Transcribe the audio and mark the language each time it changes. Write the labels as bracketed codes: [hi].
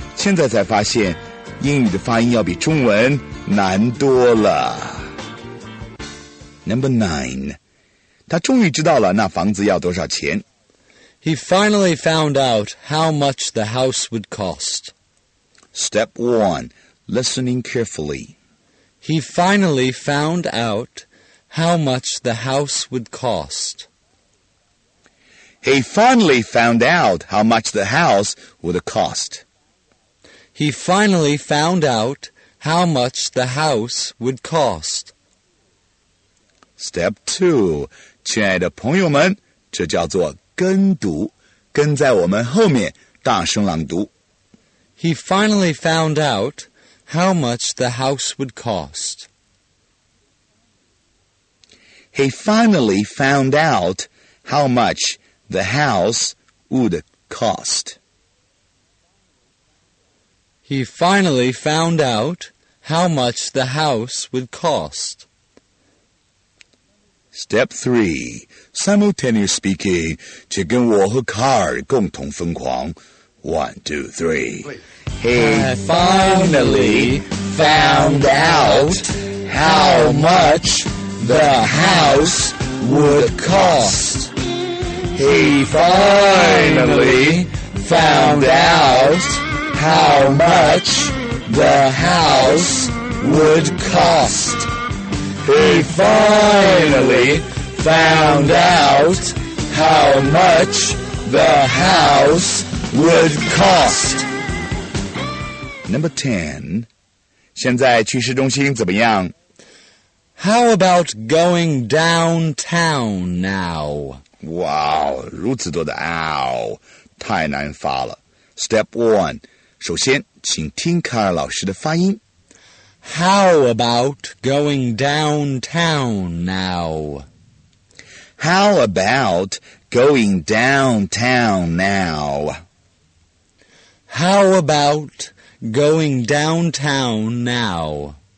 [zh] 现在才发现英语的发音要比中文难多了。 [en] Number nine, [zh] 他终于知道了那房子要多少钱。 [en] He finally found out how much the house would cost. Step one, listening carefully. He finally found out how much the house would cost. He finally found out how much the house would cost. He finally found out how much the house would cost. Step two, [zh] 亲爱的朋友们，这叫做跟读，跟在我们后面大声朗读。 [en] He finally found out how much the house would cost. He finally found out how much. The house would cost. He finally found out how much the house would cost. Step three. Simultaneous speaking, [zh] 请跟我和卡尔共同疯狂。 [en] One, two, three. He finally found out how much the house would cost. He finally found out how much the house would cost. He finally found out how much the house would cost. Number 10. [zh] 现在去市中心怎么样? [en] How about going downtown now? [zh] 哇、wow, 如此多的 ow, 太难发了。 [en] Step one, [zh] 首先请听卡尔老师的发音。 [en] How about going downtown now? How about going downtown now? How about going downtown now?